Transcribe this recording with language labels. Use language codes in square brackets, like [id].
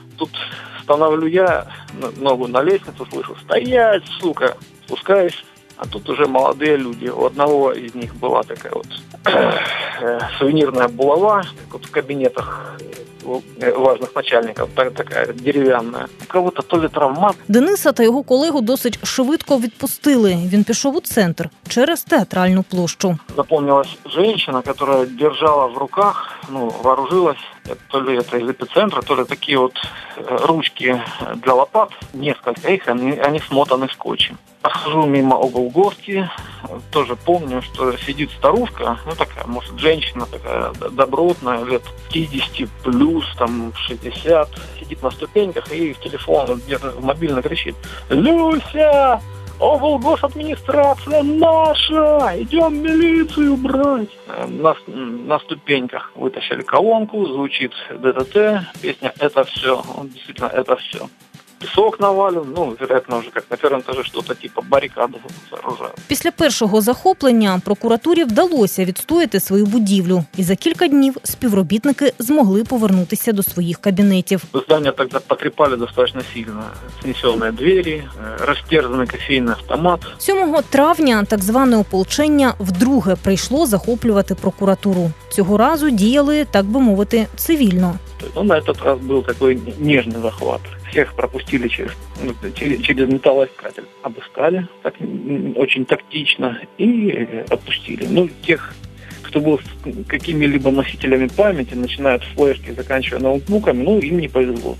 [ru] Тут становлю я ногу на лестницу, слышу, стоять, сука, спускаюсь. А тут уже молодые люди. У одного из них была такая вот сувенирная булава, как вот в кабинетах важных начальников, такая деревянная. У кого-то то ли травмат. [uk] Дениса та його колегу досить швидко відпустили. Він пішов у центр через театральну площу. [ru] Запомнилась женщина, которая держала в руках, ну, вооружилась. То ли это из эпицентра, то ли такие вот ручки для лопат, несколько их, они смотаны скотчем. Прохожу мимо облгорки, тоже помню, что сидит старушка, ну такая, может, женщина такая добротная, лет 50 плюс, там 60, сидит на ступеньках и в телефон, где-то в мобильный кричит: «Люся! [uk] Облгосадміністрація наша! Ідем міліцію брать!» На ступеньках витащили колонку, звучить ДДТ, пісня «Это все», дійсно, «Это все». пісок навалив, [ru] ну, вероятно, вже як на первом этаже что-то типа барикади сооружали. [uk] Після першого захоплення прокуратурі вдалося відстояти свою будівлю. І за кілька днів співробітники змогли повернутися до своїх кабінетів. Здання тоді потріпали достатньо сильно. Снесені двері, розтерзаний кофейний автомат. 7 травня так зване ополчення вдруге прийшло захоплювати прокуратуру. Цього разу діяли, так би мовити, цивільно. [ru] Ну, на этот раз был такой нежный захват. Всех пропустили через металлоискатель. Обыскали так, очень тактично и отпустили. Ну, тех, кто был какими-либо носителями памяти, начиная от флешки, заканчивая ноутбуками, ну, им не повезло.